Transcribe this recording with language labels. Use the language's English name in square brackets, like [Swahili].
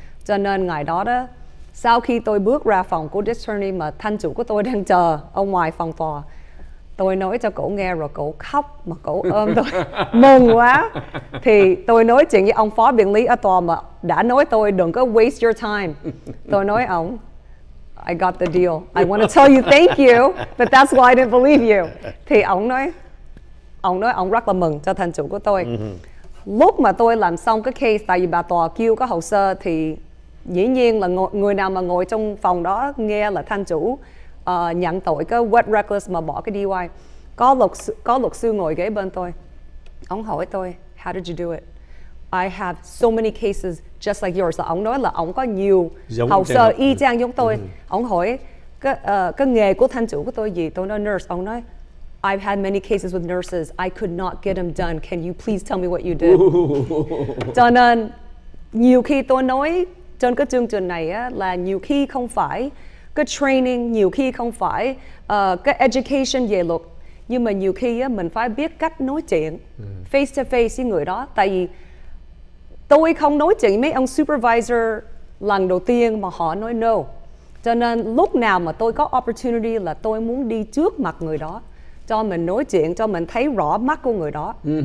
[Vietnamese] Cho nên ngày đó đó, sau khi tôi bước ra phòng của District Attorney mà thanh chủ của tôi đang chờ ở ngoài phòng tòa, tôi nói cho cổ nghe rồi cổ khóc mà cổ ôm tôi mừng quá. Thì tôi nói chuyện với ông phó biện lý ở tòa mà đã nói tôi đừng có [English] waste your time. [Vietnamese] Tôi nói ông [English] I got the deal, I want to tell you thank you, but that's why I didn't believe you. [Vietnamese] Thì ông nói ông rất là mừng cho thanh chủ của tôi. Lúc mà tôi làm xong cái case, tại vì bà tòa kêu cái hồ sơ, thì dĩ nhiên là người nào mà ngồi trong phòng đó nghe là thanh chủ nhận tội cái wet reckless mà bỏ cái DUI, có luật sư ngồi ghế bên tôi, ông hỏi tôi [English] how did you do it, I have so many cases just like yours. [Vietnamese] Ông nói là ông có nhiều hồ sơ y chang giống tôi. Ông hỏi cái nghề của thanh chủ của tôi gì. Tôi nói nurse. Ông nói [English] I've had many cases with nurses, I could not get them done, can you please tell me what you did. [Vietnamese] Cho nên nhiều khi tôi nói trên cái chương trình này á, là nhiều khi không phải cái training, nhiều khi không phải cái education về luật, nhưng mà nhiều khi á, mình phải biết cách nói chuyện [English] face to face [Vietnamese] với người đó. Tại vì tôi không nói chuyện với mấy ông supervisor lần đầu tiên mà họ nói no, cho nên lúc nào mà tôi có opportunity là tôi muốn đi trước mặt người đó cho mình nói chuyện, cho mình thấy rõ mắt của người đó.